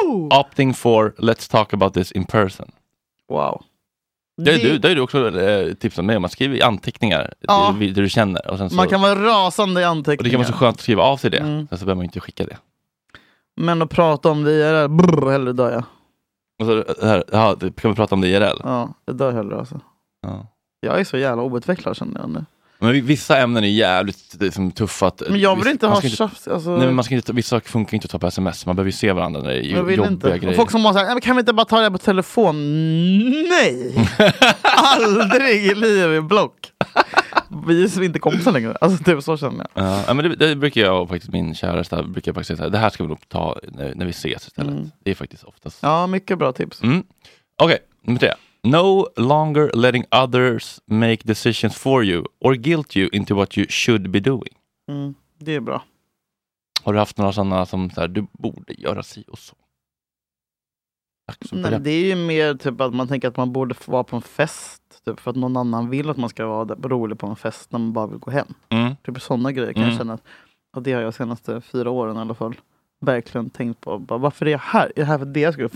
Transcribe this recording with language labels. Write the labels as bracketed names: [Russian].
[English] Opting for let's talk about this in person. Wow. [Swedish] Det är du också tipsat mig om att skriva i anteckningar det du känner. Och sen så, man kan vara rasande i anteckningar. Och det kan vara så skönt att skriva av sig det. Mm. Sen så behöver man inte skicka det. Men att prata om det IRL, hellre dör jag. Och så, kan vi prata om det IRL? Ja, det dör hellre alltså. Ja. Jag är så jävla obutvecklad känner jag nu. Men vissa ämnen är jävligt liksom, tuffa att, men jag vill inte ha tjafs alltså. Nej, men man ska inte, vissa funkar inte att ta på sms. Man behöver ju se varandra när det är jobbiga inte. Grejer. Folk som säger, kan vi inte bara ta det på telefon? Nej. Aldrig i liv i block. Vi är inte kompisar längre. Alltså typ så känner jag. Ja, men det brukar jag och faktiskt min käraste brukar faktiskt säga, det här ska vi nog ta när vi ses istället. Det är faktiskt oftast. Ja, mycket bra tips. Okej, nummer 3. [English] No longer letting others make decisions for you or guilt you into what you should be doing. [Swedish] Det är bra. Har du haft några sådana som så här, du borde göra si och så? Nej, det är ju mer typ att man tänker att man borde vara på en fest typ, för att någon annan vill att man ska vara där, rolig på en fest när man bara vill gå hem. Typ sådana grejer kan jag känna att det har jag de senaste 4 åren i alla fall verkligen tänkt på. Bara, varför är jag här? Är det här för deras grupp?